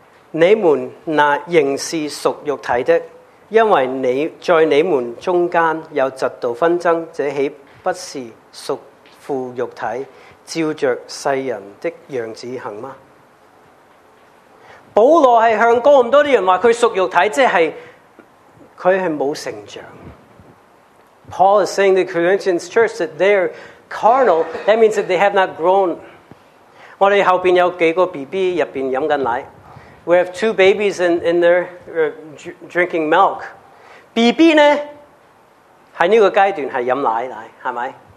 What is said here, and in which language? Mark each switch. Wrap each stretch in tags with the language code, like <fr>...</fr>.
<zh>你们那仍是属肉体的，因为你在你们中间有嫉妒纷争，这岂不是属乎肉体，照着世人的样子行吗？保罗是向哥林多的人说他属肉体，即是他是没有成长。</zh> <en>Paul is saying to the Corinthians church that they are carnal, that means that they have not grown.</en> <zh>我们后面有几个 BB 入面喝着奶。</zh> <en>We have two babies in there drinking milk.</en> <zh>BB 呢，在这个阶段是喝奶奶，是吗？</zh>